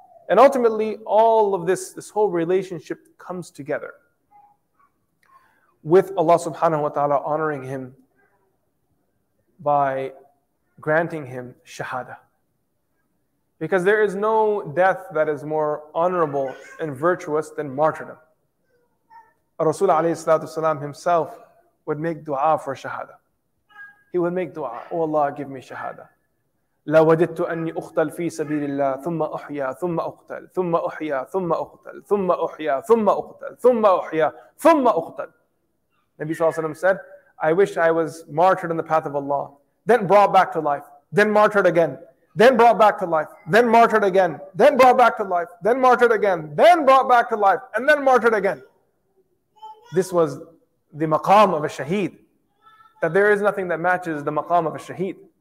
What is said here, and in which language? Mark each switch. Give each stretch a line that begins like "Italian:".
English: And ultimately, all of this whole relationship comes together with Allah subhanahu wa ta'ala honoring him by granting him shahada. Because there is no death that is more honorable and virtuous than martyrdom. Rasul alayhi salatu wasalam himself would make dua for shahada. He would make dua, oh Allah, give me shahada.
Arabic: لا وددت أني أقتل في سبيل الله ثم أحيا ثم أقتل ثم أحيا ثم أقتل ثم أحيا ثم أقتل ثم أحيا ثم أقتل.
English: Nabi Sallallahu Alaihi Wasallam said, I wish I was martyred in the path of Allah, then brought back to life, then martyred again, then brought back to life, then martyred again, then brought back to life, then martyred again, then brought back to life, and then martyred again. This was the maqam of a shaheed. That there is nothing that matches the maqam of a shaheed.